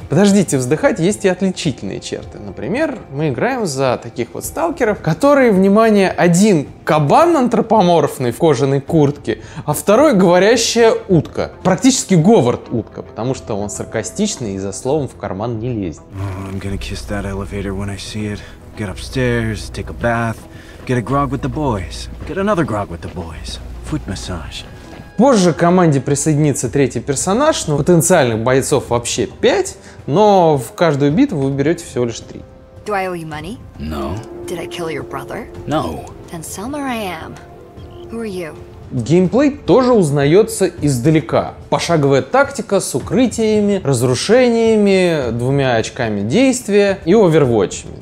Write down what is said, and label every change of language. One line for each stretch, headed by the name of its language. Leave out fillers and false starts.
Russian: Подождите, вздыхать есть и отличительные черты. Например, мы играем за таких вот сталкеров, которые, внимание, один кабан антропоморфный в кожаной куртке, а второй говорящая утка. Практически Говард утка, потому что он саркастичный и за словом в карман не лезет.
English: I'm gonna kiss that elevator when I see it. Get upstairs, take a bath, get a grog with the boys. Get another grog with the boys. Foot massage.
Russian: Позже к команде присоединится третий персонаж, но потенциальных бойцов вообще 5, но в каждую битву вы берете всего лишь 3.
English: Do I owe you money? No. Did I kill your brother? No. Then Selma, I am. Who are you?
Russian: Геймплей тоже узнается издалека. Пошаговая тактика с укрытиями, разрушениями, 2 очками действия и овервотчами.